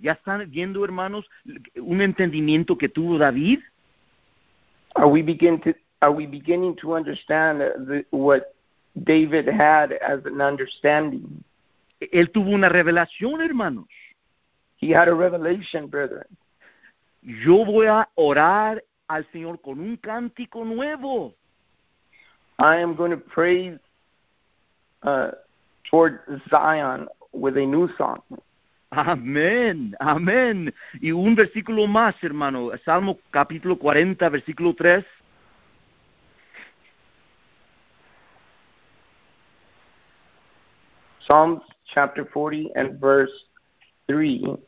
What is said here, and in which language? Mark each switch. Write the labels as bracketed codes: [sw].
[es] ¿Ya están viendo, hermanos, un entendimiento que tuvo David? [en] Are we beginning to understand what David had as an understanding? [es] Él tuvo una revelación, hermanos. [en] He had a revelation, brethren. [es] Yo voy a orar al Señor con un cántico nuevo. [en] I am going to praise toward Zion with a new song. [es] Amén, amén. Y un versículo más, hermano. Salmo capítulo 40, versículo 3. [en] Psalms chapter 40 and verse 3.